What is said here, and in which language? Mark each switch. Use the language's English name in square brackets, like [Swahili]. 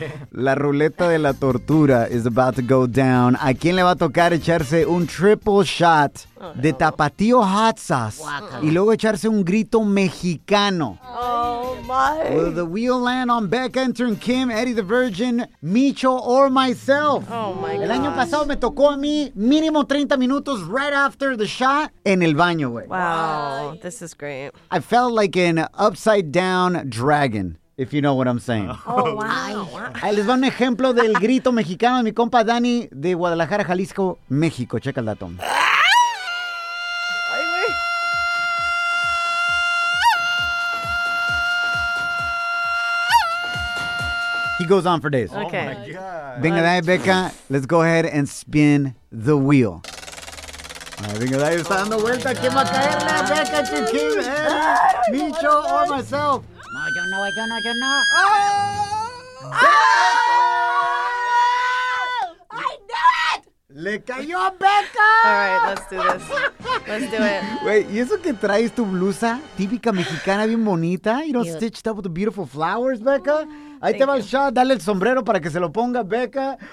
[Spanish] La ruleta de la tortura [English] is about to go down. [Spanish] ¿A quién le va a tocar echarse un triple shot de tapatío hot sauce? Guacala. Y luego echarse un grito mexicano. [English] Oh, my. Will the wheel land on Beck, Intern Kim, Eddie the Virgin, Micho, or myself? Oh, my God. [Spanish] El año pasado me tocó a mí mínimo 30 minutos [English] right after the shot [Spanish] en el baño, güey. [English] Wow. This is great. I felt like an upside down dragon, if you know what I'm saying. Oh, wow. [Spanish] Les va un ejemplo del grito mexicano de mi compa Dani de Guadalajara, Jalisco, México. Checa el dato. [English] He goes on for days. Okay. Oh, [Spanish] venga, dai, [English] Becca. Let's go ahead and spin the wheel. [Spanish] Venga, dai, está dando vuelta. ¿Quién va a caerle? Becca, Chiquín, Micho, o myself. No, yo no, yo no, yo no. [English] Oh! Oh! I knew it! [Spanish] ¡Le cayó a Becca! [English] Alright, let's do this. Let's do it. [Spanish] Wait, ¿y eso que traes tu blusa? Típica mexicana, bien bonita. [English] You know, stitched up with the beautiful flowers, Becca. [Spanish] Oh, ahí te va el shot. Dale el sombrero para que se lo ponga, Becca.